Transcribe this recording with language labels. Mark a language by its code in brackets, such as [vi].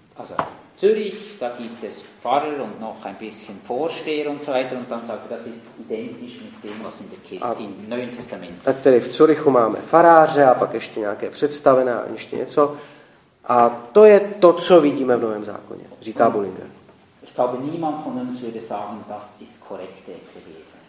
[de] Also, Zürich, da gibt es Pfarrer und noch ein bisschen Vorsteher und so weiter und dann sagt er, das ist identisch mit dem, was in der Kirche im Neuen Testament ist. [cs] Tak tedy v Zürichu máme faráře a pak ještě nějaké představené a ještě něco. A to je to, co vidíme v Novém zákoně, říká Bullinger. [de] Ich glaube, niemand von uns würde sagen, das ist korrekte Exegese.